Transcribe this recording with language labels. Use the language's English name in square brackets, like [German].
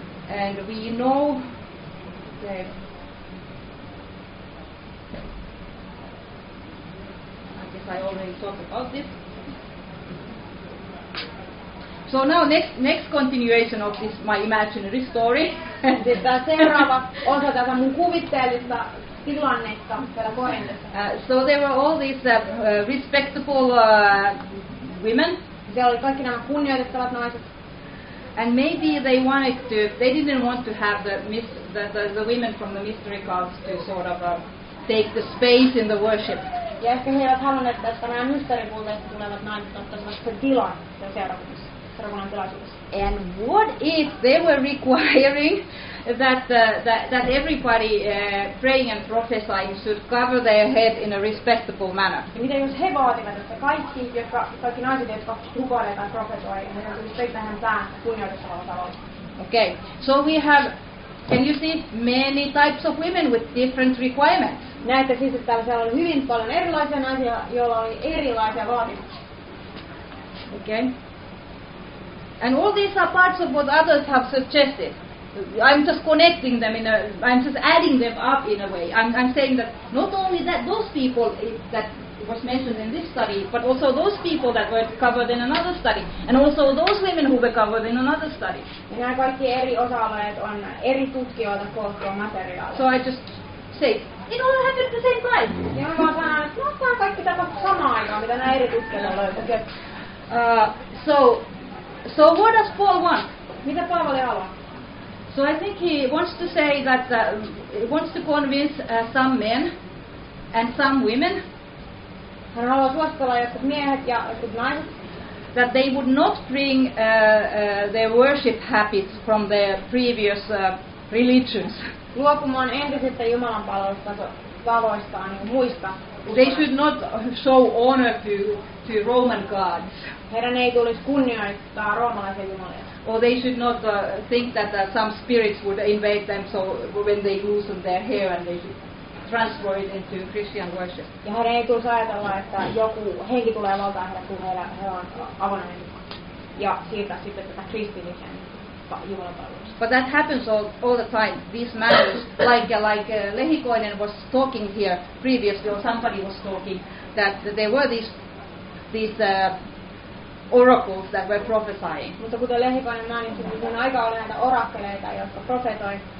[English] And we know that I already talked about this. So now next continuation of this my imaginary story. [Finnish] Seuraava osa tätä mun kuvitteellista tilannetta siellä Korintissa. [English] So there were all these respectable women. [Finnish] Siellä oli kaikki nämä kunnioitettavat naiset. [English] And maybe they didn't want to have the women from the mystery cults to sort of take the space in the worship. [Finnish] Ja ehkä he eivät halunneet, että nämä mysteerimuuteista tulevat naiset ottaisivat sen tilan sen seurakunnan tilaisuudessa. [English] And what if they were requiring that everybody praying and prophesying should cover their head in a respectable manner? [Finnish] Ja mitä jos he vaativat, että kaikki naiset, jotka rukoilevat tai profesoivat, niin he tulisivat peittämään päänsä kunnioitettavalla tavalla. [English] Okay, so we have, can you see, many types of women with different requirements? [Finnish] Näette siis, että täällä oli hyvin paljon erilaisia naisia, joilla oli erilaisia vaatimuksia. [English] Okay. And all these are parts of what others have suggested. I'm just connecting them I'm just adding them up in a way. I'm saying that not only that those people that was mentioned in this study, but also those people that were covered in another study, and also those women who were covered in another study. [Finnish] Ja nämä kaikki eri osa-alueet on eri tutkijoita koottua materiaalia. [English] So I just say, it all happened at the same time. [Finnish] Ja mä vaan sanon, että no, tämä kaikki tapahtui samaan aikaan, mitä nämä eri tutkijoita löytyy. [English] Okay. So what does Paul want? [Finnish] Mitä Paavali haluaa? [English] So I think he wants to say that he wants to convince some men and some women. [Finnish] Hän haluaa suositella jotkut miehet ja jotkut naiset. [English] That they would not bring their worship habits from their previous religions. [Finnish] Luopumaan entisestä jumalanpalvelustaan niin muista. [English] They should not show honor to Roman gods. [Finnish] Heidän ei tulisi kunnioittaa roomalaisia jumalia. [English] Or they should not think that some spirits would invade them, so when they loosen their hair and they transfer it into Christian worship. [Finnish] Ja he eivät tule ajatella, että joku henki tulee valtaan heidät, kun he ovat avonaiset ja siirtää sitten tätä kristillisen jumalanpalveluksen. [English] But that happens all the time. These matters, like Lehikoinen was talking here previously, or somebody was talking, that there were these oracles that were prophesying. [Finnish] Mutta kuten Lehikoinen mainitsi, niin aika oli näitä orakkeleita, jotka profetoi.